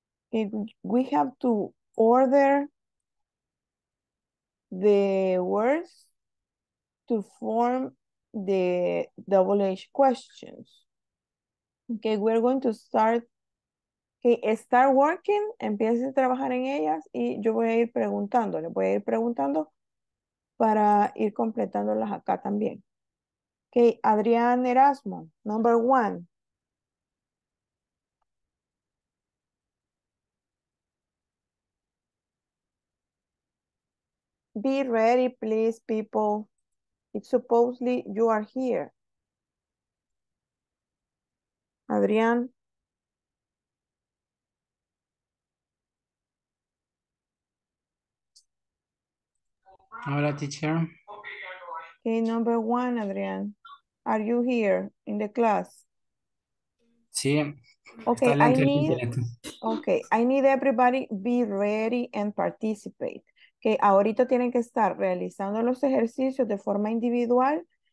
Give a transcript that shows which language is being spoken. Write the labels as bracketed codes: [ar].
[en] It, we have to order the words to form the double H questions. Okay, we're going to start. Okay, start working, [es] empiece a trabajar en ellas y yo voy a ir preguntando. Le voy a ir preguntando para ir completándolas acá también. [en] Okay, Adrián Erasmo, number one. Be ready, please, people. It's supposedly you are here. Adrián. [es] Hola, teacher. [en] Okay, number one, Adrián. Are you here in the class? [es] Sí. [en] Okay, I need everybody be ready and participate. [es] Que ahorita tienen que estar realizando los ejercicios de forma individual.